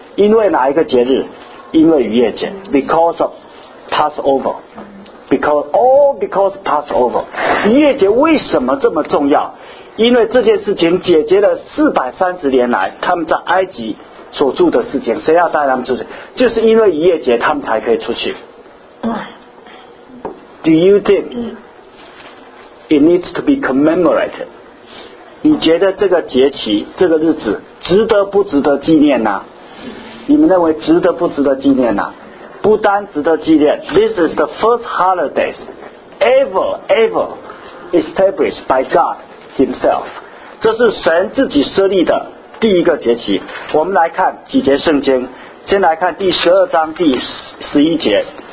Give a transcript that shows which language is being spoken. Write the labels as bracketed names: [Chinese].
[Chinese] 因为哪一个节日？因为逾越节。 [English] Because of Passover。 Because Passover。 [Chinese] 逾越节为什么这么重要？因为这件事情解决了430年来他们在埃及所住的事情。谁要带他们出去？就是因为逾越节他们才可以出去。 [English] Do you think it needs to be commemorated？ [Chinese] 你觉得这个节期这个日子值得不值得纪念呢？你们认为值得不值得纪念呢？不单值得纪念， [English] This is the first holidays ever established by God himself。 [Chinese] 这是神自己设立的第一个节期。我们来看几节圣经，先来看第12章第11节。